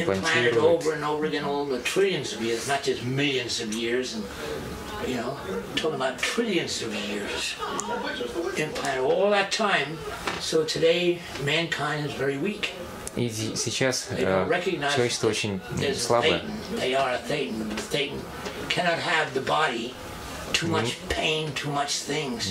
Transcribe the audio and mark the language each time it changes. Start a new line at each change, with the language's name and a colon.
English: implanted over and over again all the trillions of years, not just millions of years, and you know, talking about trillions of years. Implanted all that time, so today mankind is very weak.
Russian: И сейчас человечество очень слабое.
English: They are a thetan. Cannot have the body, too much pain, too much things.